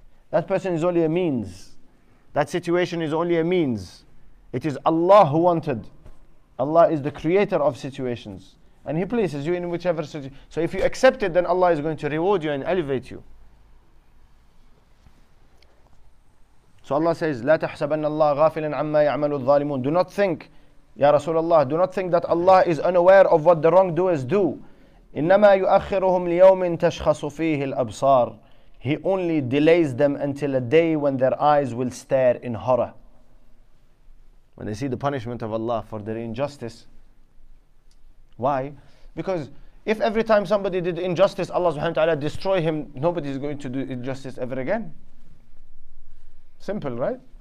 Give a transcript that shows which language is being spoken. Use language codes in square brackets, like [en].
[en] That person is only a means. That situation is only a means. It is Allah who wanted. Allah is the creator of situations. And He places you in whichever situation. So if you accept it, then Allah is going to reward you and elevate you. So Allah says, [ar] لا تحسبن الله غافلا عما يعمل الظالمون. [en] Do not think, Ya Rasulullah, do not think that Allah is unaware of what the wrongdoers do. [ar] إنما يؤخرهم ليوم تشخص فيه الأبصار. [en] He only delays them until a day when their eyes will stare in horror. When they see the punishment of Allah for their injustice. Why? Because if every time somebody did injustice, Allah subhanahu wa ta'ala destroy him, nobody is going to do injustice ever again. Simple, right?